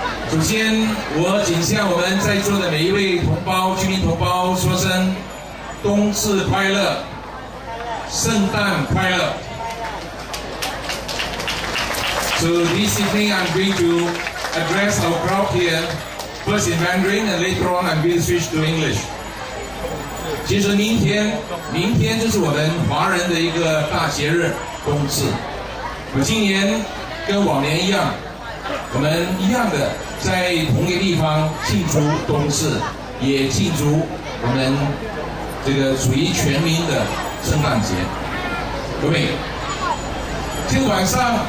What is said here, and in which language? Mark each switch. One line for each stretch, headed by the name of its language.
Chinese: 首先，我谨向我们在座的每一位同胞、居民同胞说声冬至快乐，圣诞快乐。
English: So this evening, I'm going to address our crowd here, first in Mandarin, and later on, I'm going to switch to English.
Chinese: 其实明天就是我们华人的一个大节日冬至。我今年跟往年一样，我们一样的在同一个地方庆祝冬至，也庆祝我们这个属于全民的圣诞节。各位，今天晚上。